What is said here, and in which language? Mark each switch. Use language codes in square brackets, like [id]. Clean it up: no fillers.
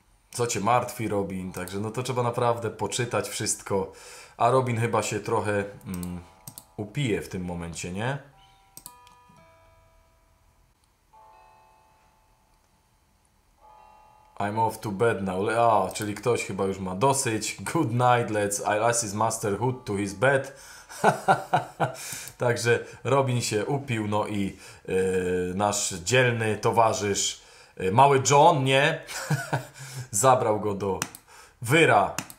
[pl] Co cię martwi, Robin? Także no to trzeba naprawdę poczytać wszystko. A Robin chyba się trochę upije w tym momencie, nie? [en] I'm off to bed now. [pl] Czyli ktoś chyba już ma dosyć. [en] Good night, let's assist Master Hood to his bed. [pl] Także Robin się upił, no i nasz dzielny towarzysz, mały John, nie? Zabrał go do Wyra.